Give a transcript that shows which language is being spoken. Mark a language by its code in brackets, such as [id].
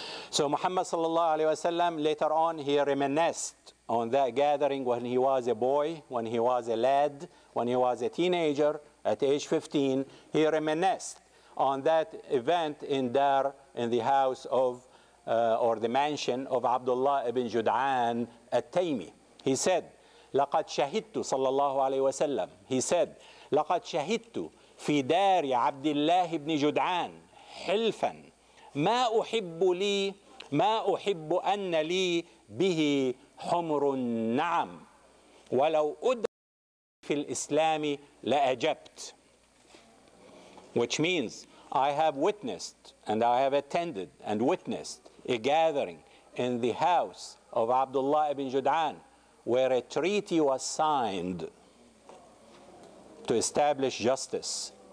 [en] So Muhammad sallallahu alayhi wa sallam, later on, he reminisced on that gathering when he was a boy, when he was a lad, when he was a teenager at age 15. He reminisced on that event in the house of, or the mansion of Abdullah ibn Jud'an al-Taymi. [ar] He said, لقد شهدت صلى الله عليه وسلم. He said, لقد شهدت في دار عبد الله بن جدعان حلفا ما أحب لي ما أحب أن لي به حمر النعم ولو أدى في الإسلام لأجبت. [en] Which means, I have witnessed and I have attended and witnessed a gathering in the house of Abdullah ibn Jud'an, where a treaty was signed to establish justice.